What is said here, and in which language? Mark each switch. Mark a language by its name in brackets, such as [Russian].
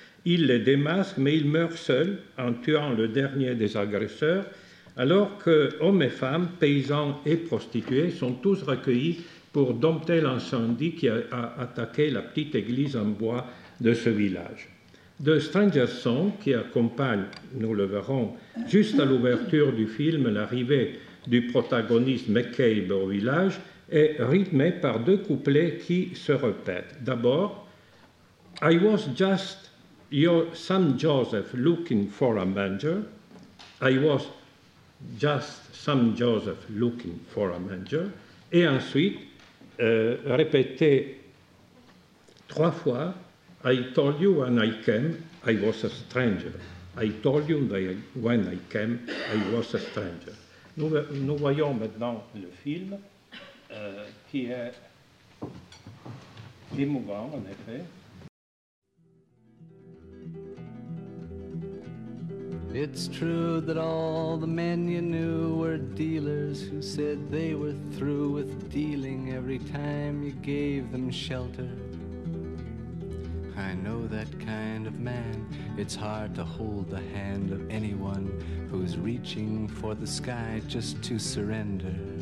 [French] Il les démasque, mais il meurt seul en tuant le dernier des agresseurs, alors que hommes et femmes, paysans et prostituées sont tous recueillis pour dompter l'incendie qui a attaqué la petite église en bois de ce village. The Stranger's Song, qui accompagne, nous le verrons, juste à l'ouverture du film, l'arrivée du protagoniste McCabe au village, est rythmé par deux couplets qui se répètent. D'abord, [English] « I was just your Sam Joseph looking for a manger. I was just Sam Joseph looking for a manger. » [French] Et ensuite, répété Trois fois, [English] I told you when I came, I was a stranger. I told you that when I came, I was a stranger. [French] Nous voyons maintenant le film qui est émouvant, en effet. [English] It's true that all the men you knew were dealers who said they were through with dealing every time you gave them shelter. I know that kind of man. It's hard to hold the hand of anyone who's reaching for the sky just to surrender.